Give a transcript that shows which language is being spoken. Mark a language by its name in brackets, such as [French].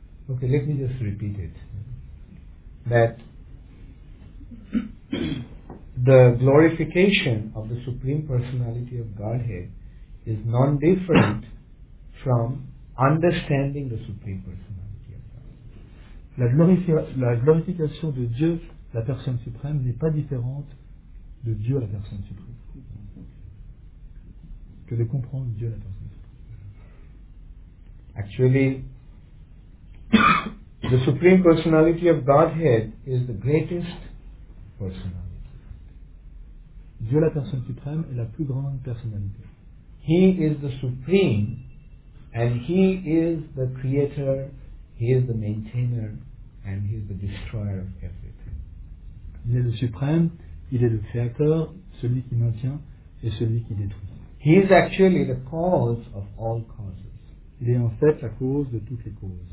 [English] Okay, let me just repeat it. That the glorification of the Supreme Personality of Godhead is non-different from understanding the Supreme Personality of Godhead. [French] La glorification de Dieu, la personne suprême, n'est pas différente de Dieu à la personne suprême. Que de comprendre Dieu à la personne suprême. [English] Actually, the Supreme Personality of Godhead is the greatest personality. [French] Dieu, la personne suprême, est la plus grande personnalité. [English] He is the supreme and he is the creator, he is the maintainer and he is the destroyer of everything. [French] Il est le suprême, il est le créateur, celui qui maintient et celui qui détruit. [English] He is actually the cause of all causes. [French] Il est en fait la cause de toutes les causes.